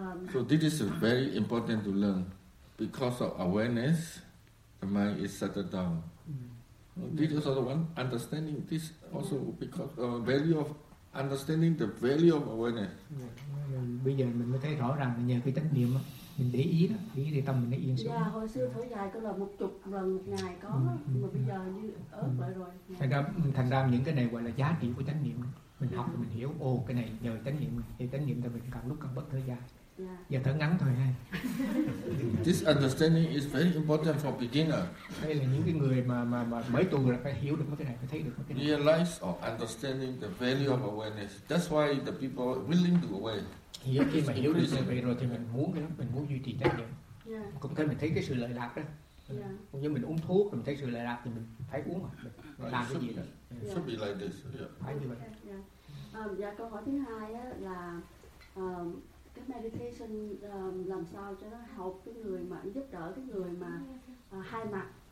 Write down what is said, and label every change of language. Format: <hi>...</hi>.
<en>So this is very important to learn. Because of awareness, the mind is settled down. This is also one understanding. This also because the value of understanding the value of awareness.</en> <vi>Bây giờ mình mới thấy rõ ràng là nhờ cái chánh niệm á, mình để ý đó, để ý thì tâm mình nó yên xuống. Dạ, hồi xưa thở dài có là một chục lần một ngày có, nhưng mà bây giờ như ớt vậy rồi. Thành ra những cái này gọi là giá trị của chánh niệm. Mình học mình hiểu, ô cái này nhờ chánh niệm, thì chánh niệm thì mình càng lúc càng bất thở dài. Giờ thở ngắn thôi ha.</vi> <en>This understanding is very important for beginner.</en> <vi>Đây là những cái người mà mới tu là phải hiểu được cái này, phải thấy được cái này.</vi> <en>Realize or understanding the value of awareness. That's why the people are willing to aware.</en> <vi>Thì khi mà hiểu được cái này rồi thì mình muốn cái lắm, mình muốn duy trì chánh niệm.</vi> <en>Yeah.</en> <vi>Cũng thấy mình thấy cái sự lợi lạc đó.</vi> <en>Yeah.</en> <vi>Cũng như mình uống thuốc mình thấy sự lợi lạc thì mình phải uống mà. Mình làm cái gì đó.</vi> <en>Yeah. Should be like this. Yeah.</en> <vi>Phải như vậy.</vi> <en>Yeah.</en> <vi>Dạ câu hỏi thứ hai á là cái meditation làm sao cho nó học cái người mà giúp đỡ cái người mà hai mặt.</vi>